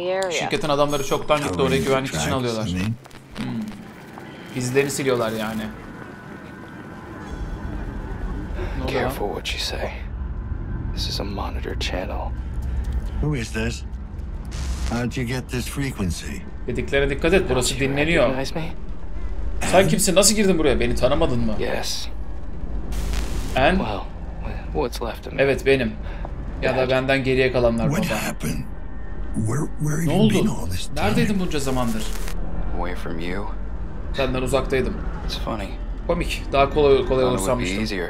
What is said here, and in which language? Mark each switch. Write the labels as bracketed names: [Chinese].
[Turkish] Şirketin adamları çoktan gitti, orayı güvenlik için alıyorlar. İzlerini siliyorlar yani. [English] Careful what you say. This is a monitor channel. Who is this? How'd you get this frequency? [Turkish] Dediklerine dikkat et, burası dinleniyor. Sen kimsin? Nasıl girdin buraya? Beni tanımadın mı? [English] Yes. And? Well, what's left of me? [Turkish] Evet, benim. Ya da benden geriye kalanlar baba. [English] What happened? Where have you been all this time? [Turkish] Neredeydin bunca zamandır? [English] Away from you. [Turkish] Senden uzaktaydım. [English] It's funny. [Turkish] Komik. Daha kolay olursammıştım.